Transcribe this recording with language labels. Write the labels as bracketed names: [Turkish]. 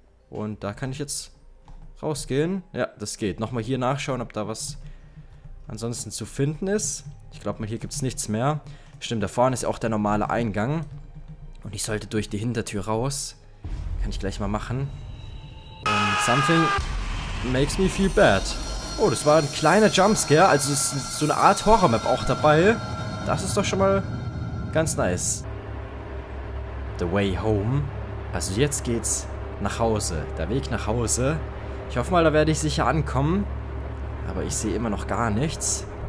[German] Und da kann ich jetzt rausgehen. Ja, das geht. Nochmal hier nachschauen, ob da was ansonsten zu finden ist. Ich glaube mal, hier gibt es nichts mehr. Stimmt, da vorne ist auch der normale Eingang. Und ich sollte durch die Hintertür raus. Kann ich gleich mal machen. [English] Und something makes me feel bad. [German] Oh, das war ein kleiner Jumpscare. Also ist so eine Art Horror-Map auch dabei. Das ist doch schon mal ganz nice. [English] The way home. [German] Also jetzt geht's nach Hause. Der Weg nach Hause. Ich hoffe mal, da werde ich sicher ankommen. Aber ich sehe immer noch gar nichts.